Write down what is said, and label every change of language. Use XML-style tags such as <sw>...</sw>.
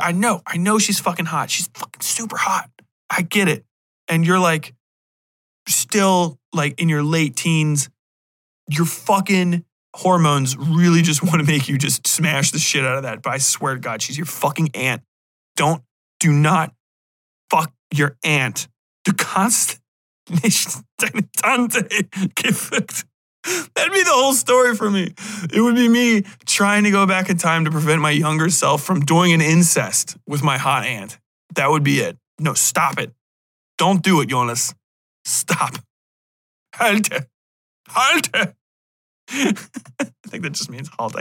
<en>I know she's fucking hot. She's fucking super hot. I get it. And you're like still like in your late teens. Your fucking hormones really just want to make you just smash the shit out of that. But I swear to God, she's your fucking aunt. Do not fuck your aunt.</en> <de>Du kannst nicht deine Tante gefickt.</de> <en>That'd be the whole story for me. It would be me trying to go back in time to prevent my younger self from doing an incest with my hot aunt. That would be it. No, stop it. Don't do it, Jonas. Stop. Halte. I think that just means halt.</en>